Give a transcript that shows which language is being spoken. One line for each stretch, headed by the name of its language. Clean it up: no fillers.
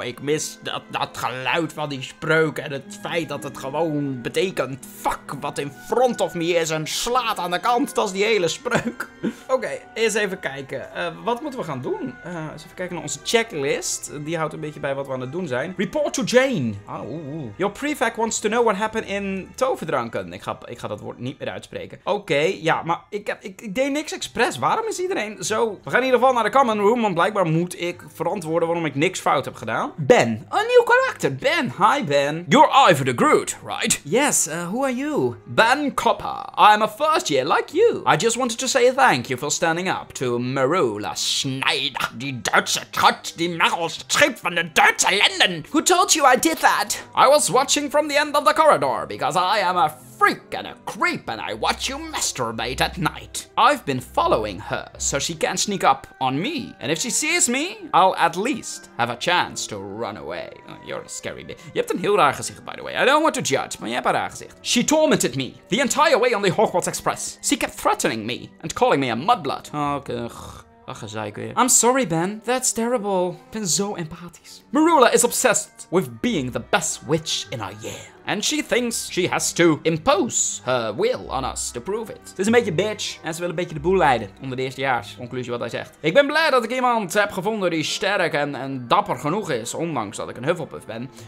Dutch: Ik mis dat geluid van die spreuk en het feit dat het gewoon betekent fuck wat
English: in front of me
Dutch: is en slaat aan de kant. Dat is die hele spreuk. Oké, eens even kijken. Wat moeten we gaan doen? Eens even kijken naar onze checklist. Die houdt een beetje bij wat we aan het doen zijn.
English: Report to Jane. Oh, Your prefect wants to know what happened in toverdranken.
Dutch: Ik ga dat woord niet meer uitspreken. Oké, ja, maar ik deed niks expres. Waarom is iedereen zo? We gaan in ieder geval naar de common room, want blijkbaar moet ik verantwoorden waarom ik niks fout heb gedaan.
English: Ben.
Dutch: Een nieuw karakter.
English: Ben. Hi, Ben. You're Ivor the Groot, right? Yes, who are you? Ben Copper. I'm a first year like you. I just wanted to say thank you for standing up to Merula Snyder,
Dutch: die Duitse trut, die Meryl Streep van de Duitse Lenden.
English: Who told you I did that? I was watching from the end of the corridor, because I am a freak and a creep and I watch you masturbate at night. I've been following her so she can't sneak up on me. And if she sees me, I'll at least have a chance to run away. Oh, you're a scary bitch.
Dutch: Je hebt een heel raar gezicht,
English: by the way. I don't want to judge,
Dutch: maar je hebt een raar gezicht.
English: She tormented me the entire way on the Hogwarts Express. She kept threatening me and calling me a mudblood.
Dutch: Ach, gezeik weer.
English: I'm sorry, Ben. That's terrible.
Dutch: Ik ben zo empathisch.
English: Merula is obsessed with being the best witch in our year. And she thinks she has to impose her will on us to prove it.
Dutch: Het is een beetje bitch. En ze wil een beetje de boel leiden. Onder de eerstejaars. Conclusie wat hij zegt. Ik ben blij dat ik iemand heb gevonden die sterk en dapper genoeg is. Ondanks dat ik een Hufflepuff ben.